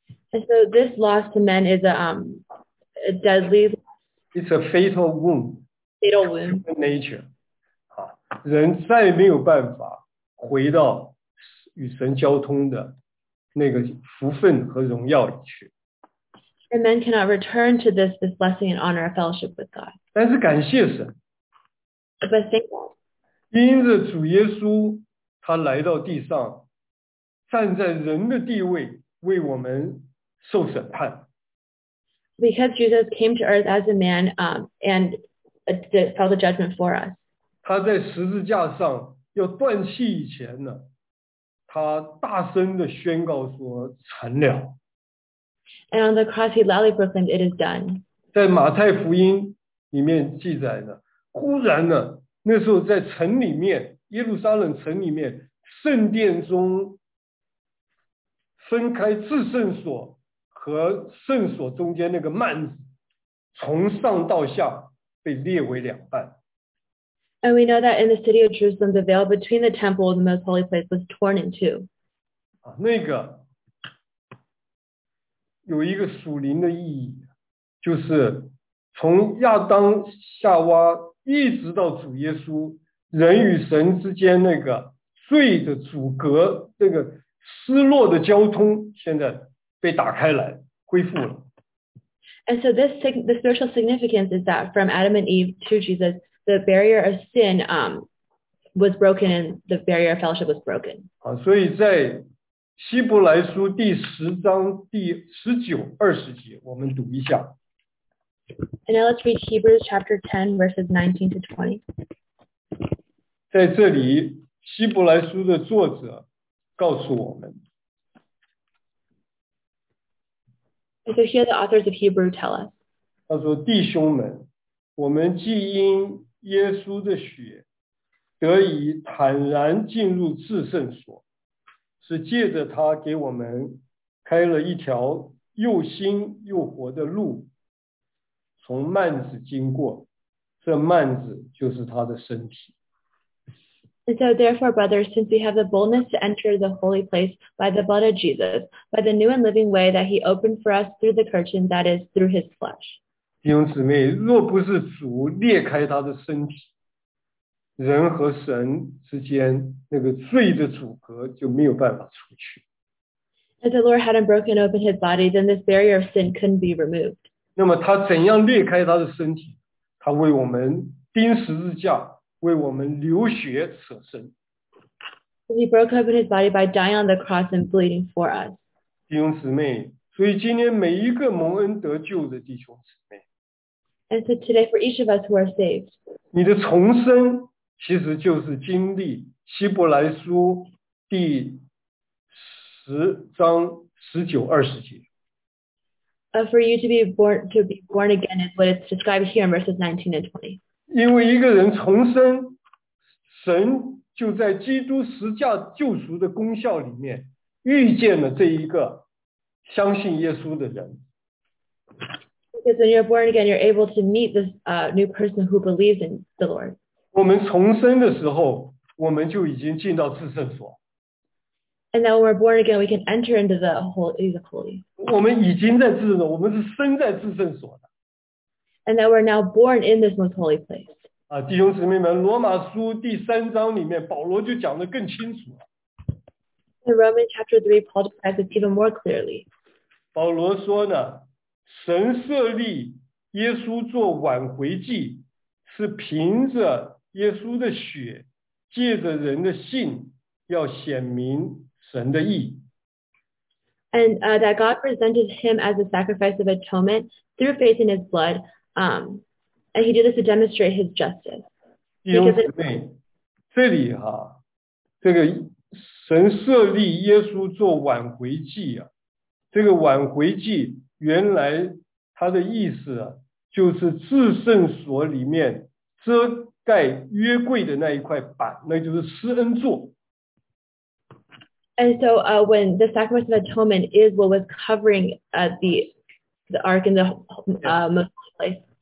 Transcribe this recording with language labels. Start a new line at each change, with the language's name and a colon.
English: And so this loss to men is a deadly. It's a fatal wound. Fatal wound. Nature.
Chinese: 啊，人再没有办法回到与神交通的那个福分和荣耀里去。
English: And men cannot return to this blessing and honor of fellowship with God.
Chinese: 但是感谢神。
English: But thank God.
Chinese: 因着主耶稣他来到地上，站在人的地位为我们受审判。
English: Because Jesus came to earth as a man, and fell the judgment for us.
Chinese: 他在十字架上要断气以前呢，他大声的宣告说成了。
English: And on the cross, he loudly proclaimed, "It is done."
Chinese: 在马太福音里面记载呢。忽然呢，那时候在城里面，耶路撒冷城里面，圣殿中分开至圣所和圣所中间那个幔子，从上到下被裂为两半。
English: And we know that in the city of Jerusalem, the veil between the temple and the most holy place was torn in two.
Chinese: 啊，那个有一个属灵的意义，就是从亚当夏娃。一直到主耶稣，人与神之间那个罪的阻隔，那个失落的交通，现在被打开来，恢复了。
English: And so the spiritual significance is that from Adam and Eve to Jesus, the barrier of sin was broken, and the barrier of fellowship was broken.
Chinese: 啊，所以在希伯来书第十章第十九、二十节，我们读一下。
English: And now let's read Hebrews chapter 10, verses 19 to 20.
Chinese: 在这里，希伯来书的作者告诉我们，
English: And so here the authors of Hebrew tell us.
Chinese: 他说弟兄们，我们既因耶稣的血得以坦然进入至圣所，是借着他给我们开了一条又新又活的路，从幔子经过，这幔子就是他的身体。
English: And so therefore, brothers, since we have the boldness to enter the holy place by the blood of Jesus, by the new and living way that he opened for us through the curtain, that is, through his flesh.
Chinese: 弟兄姊妹，若不是主裂开他的身体，人和神之间那个罪的阻隔就没有办法出去。
English: If the Lord hadn't broken open his body, then this barrier of sin couldn't be removed.
Chinese: 那么他怎样裂开他的身体？他为我们钉十字架，为我们流血舍身。
English: He broke open his body by dying on the cross and bleeding for us.
Chinese: 弟兄姊妹，所以今天每一个蒙恩得救的弟兄姊妹。
English: And so today for each of us who are saved.
Chinese: 你的重生其实就是经历希伯来书第十章十九二十节。
English: For you to be born again is what it's described here in verses 19 and 20.
Chinese: 因为一个人重生，神就在基督十架救赎的功效里面遇见了这一个相信耶稣的人。
English: Because when you're born again, you're able to meet this new person who believes in the Lord.
Chinese: 我们重生的时候，我们就已经进到至圣所。
English: And now when we're born again, we can enter into the holy.
Chinese: 我们已经在至圣所，我们是生在至圣所的。
English: And that we're now born in this most holy place.
Chinese: 啊，弟兄姊妹们，罗马书第三章里面，保罗就讲得更清楚了。
English: In Romans chapter 3, Paul describes it even more clearly.
Chinese: 保罗说呢，神设立耶稣做挽回祭，是凭着耶稣的血，借着人的信，要显明神的义。
English: And that God presented him as a sacrifice of atonement through faith in his blood, and he did this to demonstrate his justice.
Chinese: 弟兄姊妹，这里哈，这个神设立耶稣做挽回祭啊，这个挽回祭原来它的意思啊，就是至圣所里面遮盖约柜的那一块板，那就是施恩座。
English: And so, when the sacrifice of atonement is what was covering the ark in the most holy place.